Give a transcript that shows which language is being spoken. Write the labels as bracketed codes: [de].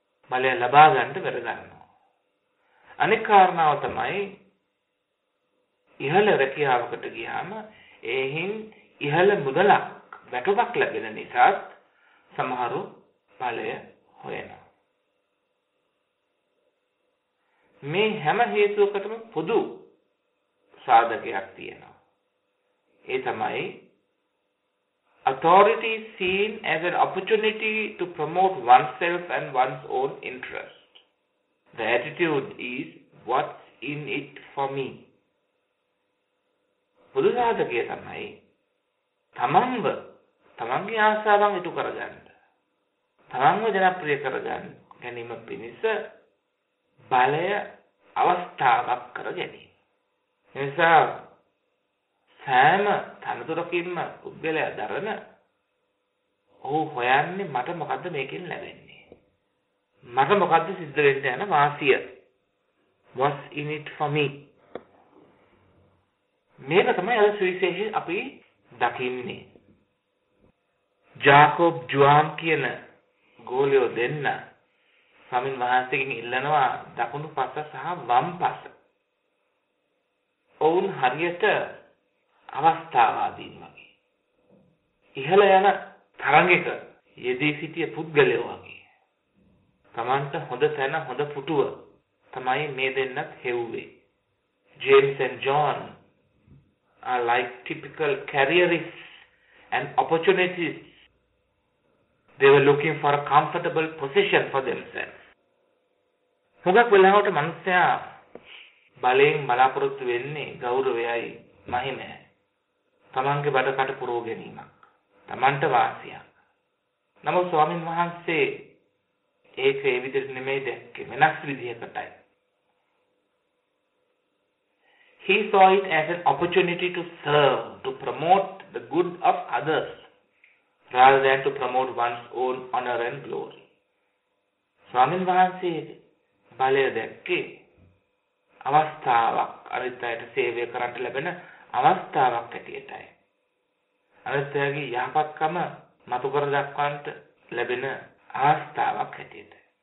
[si] බලය ලබා ගන්නට බැර ගන්නවා. අනෙක් කාරණාව තමයි ඉහළ රැකියාවකට ගියාම එහෙන් ඉහළ මුදලක් වැටුපක් ලැබෙන නිසාත් සමහරු බලය හොයනවා. මේ හැම හේතුවකටම පොදු සාධකයක් තියෙනවා. ඒ තමයි [en] authority is seen as an opportunity to promote oneself and one's own interest. The attitude is what's in it for me. [si] බුදු සාධකය තමයි තමන්ව තමන්ගේ ආශාවන් ඉටු කරගන්න, තමන්ව ජනප්‍රිය කරගන්න ගැනීම පිණිස බලය අවස්ථාවක් කර ගැනීම. එනිසා සෑම තනතුරකින්ම උද්ගලය දරන ඔහු හොයන්නේ මට මොකද්ද මේකෙන් ලැබෙන්නේ, මට මොකද්ද සිද්ධ වෙන්න යන වාසිය, [en] what's in it for me. [si] මේක තමයි අද සුවිශේෂ අපි දකින්නේ. ජාකොබ් ජුවාම් කියන ගෝලියෝ දෙන්න සමින් වහන්සේකින් ඉල්ලනවා දකුණු පස සහ වම් පස. ඔවුන් හරියට අවස්ථාවාදීන් වගේ ඉහළ යන තරංගයක යෙදී සිටිය පුද්ගලයෝ වගේ. තමන්ට හොඳ තැන හොඳ පුටුව තමයි මේ දෙන්නත් හෙව්වේ. [en] James and John are like typical careerists and opportunities. They were looking for a comfortable position for themselves. [si] හුඟක් වෙලාවට මනුස්සයා බලයෙන් බලාපොරොත්තු වෙන්නේ ගෞරවයයි මහිමයි. තමන්ගේ බඩකට පුරව ගැනීමක්, තමන්ට වාසියක්. නමුත් ස්වාමීන් වහන්සේ ඒක ඒ විදිහට නෙමෙයි දැක්කේ වෙනස් විදිහකටයි. [en] He saw it as an opportunity to serve, to promote the good of others, rather than to promote one's own honor and glory. [si] ස්වාමීන් වහන්සේ බලය දැක්කේ අවස්ථාවක් අනිත් අයට සේවය කරන්න ලැබෙන අවස්ථාවක් ඇටියටයි. අනිත් අයගේ යහපත්කම මතු කර දක්වන්නට ලැබෙන අවස්ථාවක් ඇටියටයි.